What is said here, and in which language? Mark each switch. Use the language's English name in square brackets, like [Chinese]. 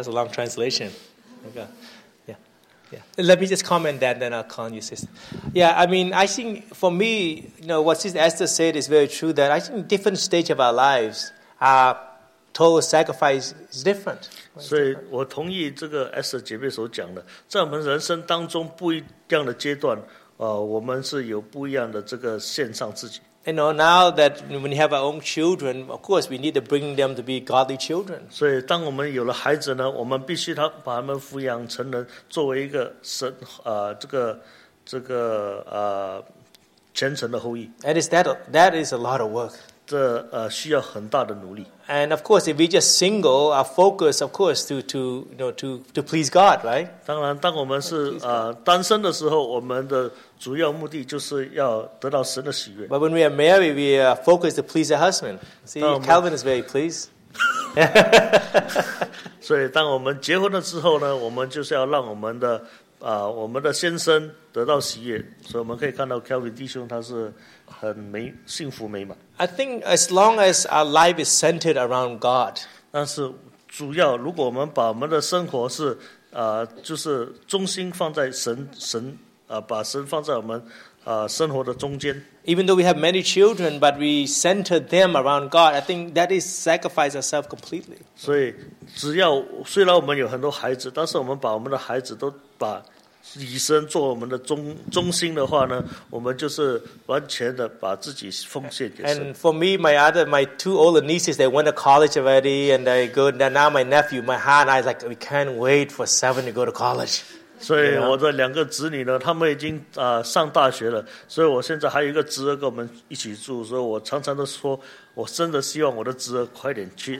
[English] Wow, that's a long translation. Okay. Yeah, yeah. Let me just comment that, then I'll call you, sister. Yeah, I mean, I think for me, you know, what Sister Esther said is very true, that I think different stage of our lives, total sacrifice is different. [Chinese] 所以我同意这个Esther姐妹所讲的，在我们人生当中不一样的阶段，我们是有不一样的这个献上自己。 [English] You know, now that when you have our own children, of course, we need to bring them to be godly children. [Chinese] 所以当我们有了孩子呢, 我们必须把他们抚养成人, 作为一个神, 这个虔诚的后裔。 [English] And it's that is a lot of work. [Chinese] 这, 需要很大的努力。 [English] And of course, if we're just single, our focus, of course, to please God, right? [Chinese] 当然,当我们是, 单身的时候, 主要目的就是要得到神的喜悦。 [English] But when we are married, we are focused to please our husband. See, Calvin is very pleased. [Chinese] 所以当我们结婚了之后呢, 我们就是要让我们的, 我们的先生得到喜悦, 所以我们可以看到 Calvin弟兄, 他是很幸福美满。 [English] I think as long as our life is centered around God, [Chinese] 但是主要如果我们把我们的生活是, 就是中心放在神, 把神放在我们生活的中间。 [English] Even though we have many children, but we center them around God, I think that is sacrifice ourselves completely. [Chinese] 所以虽然我们有很多孩子, 但是我们把我们的孩子都把以神做我们的中心的话呢, 我们就是完全的把自己奉献给神。 [English] And for me, my two older nieces, they went to college already, and they go, now my nephew, my heart, I was like, we can't wait for 7 to go to college. [Chinese] 所以我的2个子女呢, 他们已经, 上大学了, 所以我现在还有一个侄儿跟我们一起住, 所以我常常都说, 我真的希望我的侄儿快点去,